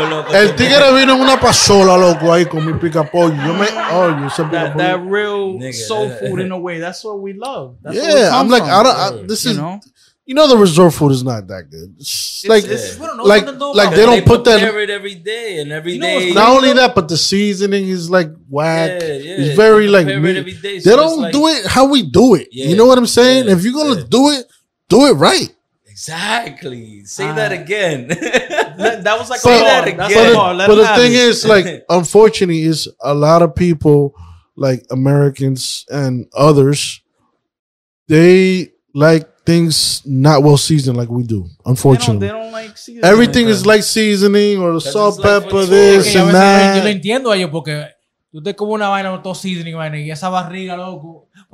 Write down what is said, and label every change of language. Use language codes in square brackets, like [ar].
[es] El tigre vino en una pasola, loco, ahí con mi pickup oil. Yo me. Oye, ese pickup oil. [en] That real soul food in a way. That's what we love. That's I'm like, from. I don't. I, this is. You know? You know the resort food is not that good. It's like they don't put that carrot every day and every you know day. Not only that, but the seasoning is like whack. Yeah. It's very like meat. Every day, so they don't like, do it how we do it. Yeah, you know what I'm saying? Yeah, if you're gonna do it right. Exactly. Say that again. That was like the thing is, like, unfortunately, is a lot of people, like Americans and others, they like. Things not well seasoned like we do, unfortunately. They don't like seasoning. Everything is like seasoning or salt, like pepper, this and that. [es] Yo lo entiendo a ellos porque tú te comes una vaina con todo seasoning, man, y esa barriga, loco.